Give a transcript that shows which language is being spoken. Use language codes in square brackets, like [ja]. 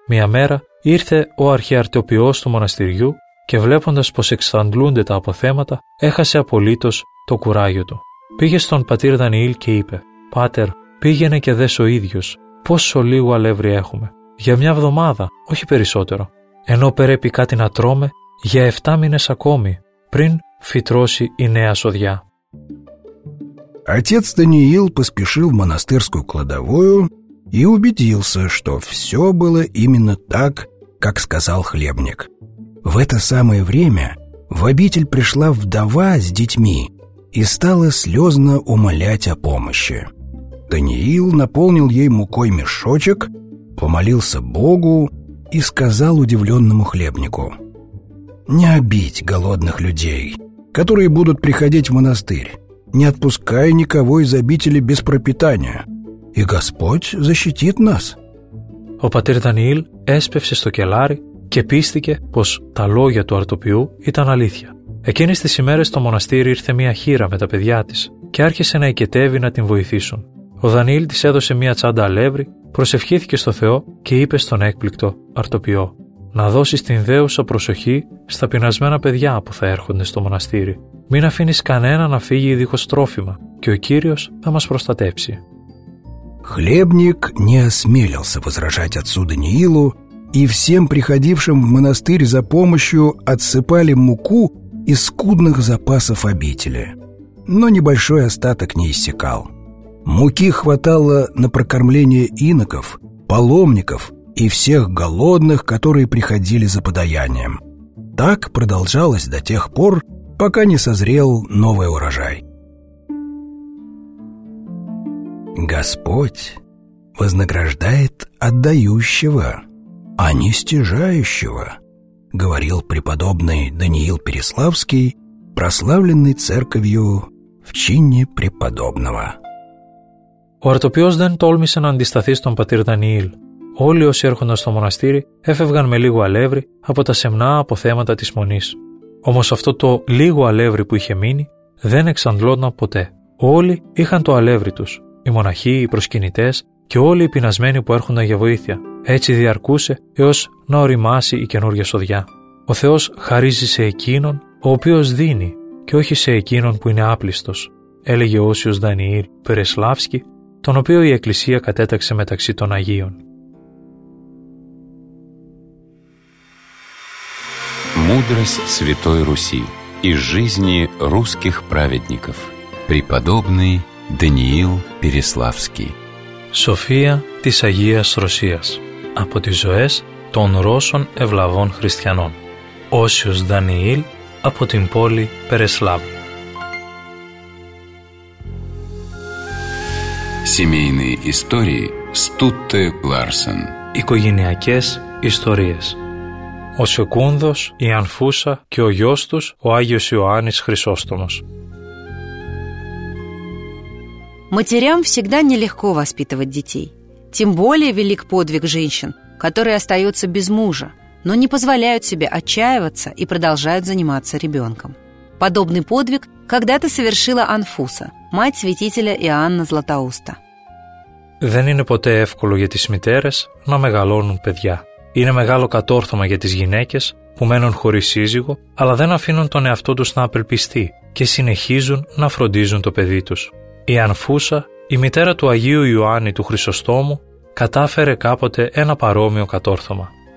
[el] Μια μέρα ήρθε ο αρχιαρτιοποιός του μοναστηριού και βλέποντας πως εξαντλούνται τα αποθέματα, έχασε απολύτως το κουράγιο του. Πήγε στον πατήρ Δανιήλ και είπε: «Πάτερ, πήγαινε και δες ο ίδιος πόσο λίγο αλεύρι έχουμε. Για μια εβδομάδα, όχι περισσότερο. Ενώ πρέπει κάτι να τρώμε για 7 μήνες ακόμη, πριν φυτρώσει η νέα σοδιά». [ru] Отец Даниил поспешил в монастырскую кладовую и убедился, что все было именно так, как сказал хлебник. В это самое время в обитель пришла вдова с детьми и стала слезно умолять о помощи. Даниил наполнил ей мукой мешочек, помолился Богу и сказал удивленному хлебнику: «Не обидь голодных людей, которые будут приходить в монастырь, не отпускай никого из обители без пропитания, и Господь защитит нас». [el] Ο πατήρ Δανιήλ έσπευσε στο κελάρι και πίστηκε πως τα λόγια του αρτοποιού ήταν αλήθεια. Εκείνες τις ημέρες στο μοναστήρι ήρθε μια χήρα με τα παιδιά της και άρχισε να εικετεύει να την βοηθήσουν. Ο Δανιήλ της έδωσε μια τσάντα αλεύρι, προσευχήθηκε στο Θεό και είπε στον έκπληκτο αρτοποιό: «Να δώσεις την δέουσα προσοχή στα πεινασμένα παιδιά που θα έρχονται στο μοναστήρι. Μην αφήνεις κανένα να φύγει δίχως τρόφιμα και ο Κύριος θα μας προστατέψει». [ru] Хлебник не осмелился возражать отцу Даниилу, и всем приходившим в монастырь за помощью отсыпали муку из скудных запасов обители. Но небольшой остаток не иссякал. Муки хватало на прокормление иноков, паломников и всех голодных, которые приходили за подаянием. Так продолжалось до тех пор, пока не созрел новый урожай. Господь вознаграждает отдающего, а не стяжающего, говорил преподобный Даниил Переславский, прославленный церковью в чине преподобного. [el] Ο Αρτοπιός δεν τόλμησε να αντισταθεί στον πατήρ Δανιήλ. Όλοι όσοι έρχονταν στο μοναστήρι έφευγαν με λίγο αλεύρι από τα σεμνά αποθέματα της μονής. Όμως αυτό το λίγο αλεύρι που είχε μείνει δεν εξαντλόταν ποτέ. Όλοι είχαν το αλεύρι τους, οι μοναχοί, οι προσκυνητές και όλοι οι πεινασμένοι που έρχονταν για βοήθεια. Έτσι διαρκούσε έως να οριμάσει η καινούργια σοδιά. Ο Θεός χαρίζει σε εκείνον ο οποίος δίνει και όχι σε εκείνον που είναι άπλιστος, έλεγε ο Όσιος Δανιήλ Περεσλάφσκι, τον οποίο η Εκκλησία κατέταξε μεταξύ των Αγίων. [ru] Мудрость Святой Руси из жизни русских праведников. Преподобный Даниил Переславский. [el] София της Αγίας Ρωσίας. Από τις ζωές των Ρώσων ευλαβών χριστιανών. Όσιος Δανιήλ από την πόλη Περεσλάβ. [ru] Семейные истории Стутте Ларсен. [el] Οικογενειακές ιστορίες. Ο Σεκούνδος, η Ανφούσα και ο γιος τους, ο Άγιος Ιωάννης Χρυσόστομος. [ru] Матерям всегда нелегко воспитывать детей. Тем более велик подвиг женщин, которые остаются без мужа, но не позволяют себе отчаиваться и продолжают заниматься ребенком. Подобный подвиг когда-то совершила Анфуса, мать святителя Иоанна Златоуста. [el] Δεν είναι ποτέ εύκολο για τις μητέρες να μεγαλώνουν παιδιά. Είναι μεγάλο κατόρθωμα για τις γυναίκες που μένουν χωρίς σύζυγο, αλλά δεν αφήνουν τον εαυτό τους να απελπιστεί και συνεχίζουν να φροντίζουν το παιδί τους. Η Ανφούσα, η μητέρα του Αγίου Ιωάννη του Χρυσοστόμου, κατάφερε κάποτε ένα παρόμοιο κατόρθωμα.